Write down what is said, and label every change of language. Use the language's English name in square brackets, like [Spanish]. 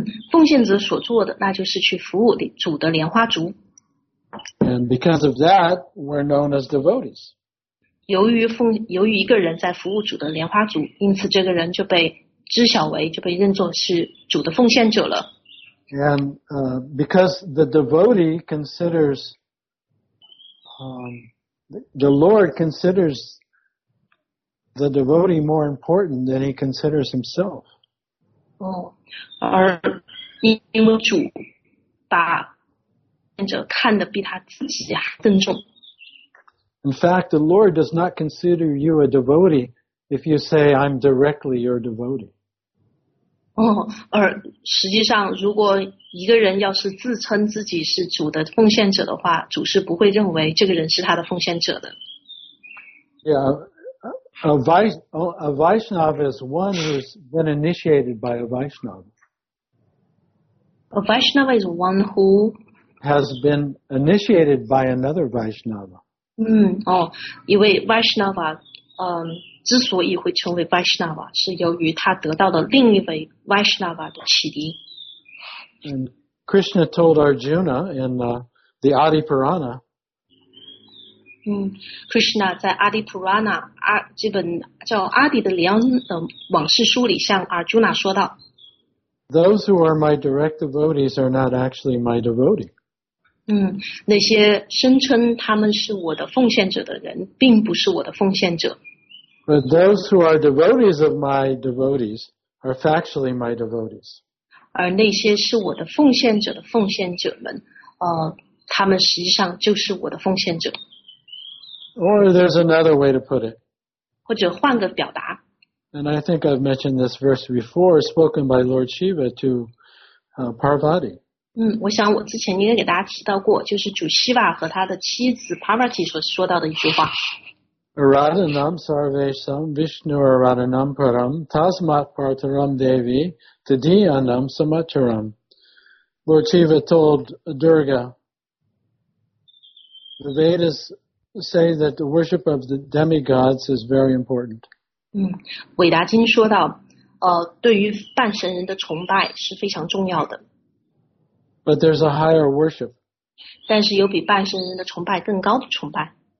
[Chinese] 奉献者所做的那就是去服务主的莲花足。 [English] And because of that, we're known as devotees. [Chinese] 由于一个人在服务主的莲花足，因此这个人就被知晓为就被认作是主的奉献者了。 [English] And because the devotee considers. The Lord considers the devotee more important than he considers himself. [Chinese] 而因为主把见者看得比他自己更重。 [English] In fact, the Lord does not consider you a devotee if you say, I'm directly your devotee. [Chinese] 而实际上如果一个人要是自称自己是主的奉献者的话，主是不会认为这个人是他的奉献者的。 [English] Yeah, a Vaishnava is one who's been initiated by a Vaishnava. A Vaishnava is one who has been initiated by another Vaishnava. [Chinese] 一位 Vaishnava, 之所以会成为 Vaishnava, 是由于他得到了另一位 Vaishnava 的启迪。 [English] And Krishna told Arjuna in the Adi Purana. [Chinese] Krishna 在 Adi Purana 这本叫阿底的莲往事书里向 Arjuna 说道。 [English] Those who are my direct devotees are not actually my devotee. [Chinese] 那些声称他们是我的奉献者的人并不是我的奉献者。 [English] But those who are devotees of my devotees are factually my devotees. [Chinese] 而那些是我的奉献者的奉献者们，他们实际上就是我的奉献者。 [English] Or there's another way to put it. [Chinese] 或者换个表达。 [English] And I think I've mentioned this verse before, spoken by Lord Shiva to Parvati. [Chinese] 我想我之前应该给大家提到过，就是主希瓦和他的妻子 Parvati 所说到的一句话。 [Sanskrit] Aradhanam sarvesham Vishnu aradhanam param tasmat partaram devi tadiyanam samacharam. [English] Lord Shiva told Durga, the Vedas say that the worship of the demigods is very important. [Chinese] 韦达金说道，对于半神人的崇拜是非常重要的。 [English] But there's a higher worship. [Chinese] 但是有比半神人的崇拜更高的崇拜。